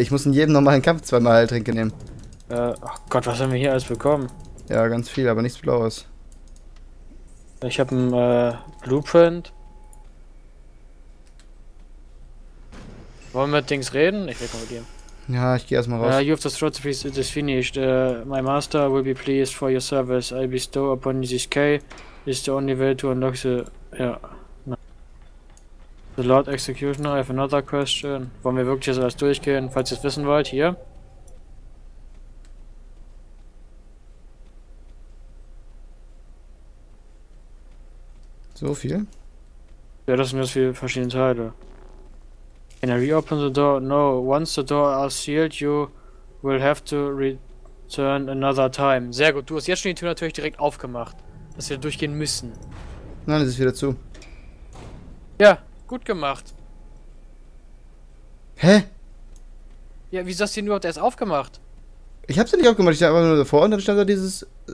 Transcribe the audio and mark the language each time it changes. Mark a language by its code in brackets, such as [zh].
[de] Ich muss in jedem normalen Kampf zweimal Heiltränke nehmen. Ach Gott, was haben wir hier alles bekommen? Ja, ganz viel, aber nichts Blaues. Ich hab ein Blueprint. Wollen wir mit Dings reden? Ich rede mal mit dir. Ja, ich geh erstmal raus. [en] You have the throat piece, it is finished. My master will be pleased for your service. I bestow upon this key. It's the only way to unlock the... Ja. No. The Lord Executioner, I have another question. [de] Wollen wir wirklich jetzt alles durchgehen? Falls ihr es wissen wollt, hier. So viel? Ja, das sind ganz viele verschiedene Teile. [en] Can I reopen the door? No, once the door is sealed, you will have to return another time. [de] Sehr gut, du hast jetzt schon die Tür natürlich direkt aufgemacht, dass wir durchgehen müssen. Nein, es ist wieder zu. Ja, gut gemacht. Hä? Ja, wieso hast du die nur erst aufgemacht? Ich hab's ja nicht aufgemacht, ich stand einfach nur davor und dann stand da dieses...